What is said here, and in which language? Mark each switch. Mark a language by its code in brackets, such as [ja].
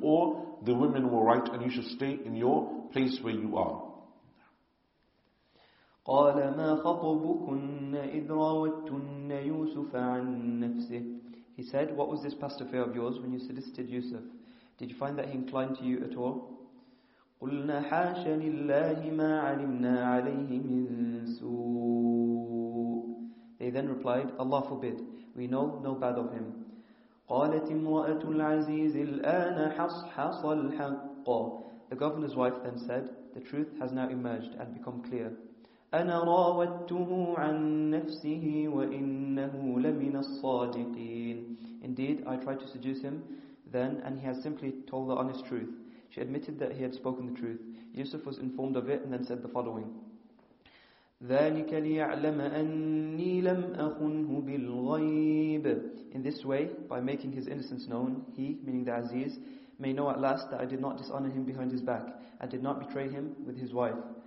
[en] Or the women were right and you should stay in your place where you are. [ar] قَالَ مَا خَطُبُكُنَّ إِذْ رَاوَدْتُنَّ يُوسُفَ عَن نَفْسِهِ. [en] He said, what was this past affair of yours when you solicited Yusuf? Did you find that he inclined to you at all? [ar] قلنا حاشا لله ما علمنا عليه من سوء. [en] They then replied, Allah forbid, we know no bad of him. [ar] قالت امرأة العزيز الآن حصحص الحق. [en] The governor's wife then said, the truth has now emerged and become clear. [ar] أنا راودته عن نفسه وإنه لمن الصادقين. [en] Indeed, I tried to seduce him then and he has simply told the honest truth. She admitted that he had spoken the truth. Yusuf was informed of it and then said the following. [ar] ذَلِكَ لِيَعْلَمَ أَنِّي لَمْ أَخُنْهُ بِالْغَيْبِ. [en] In this way, by making his innocence known, he, meaning the Aziz, may know at last that I did not dishonor him behind his back and did not betray him with his wife.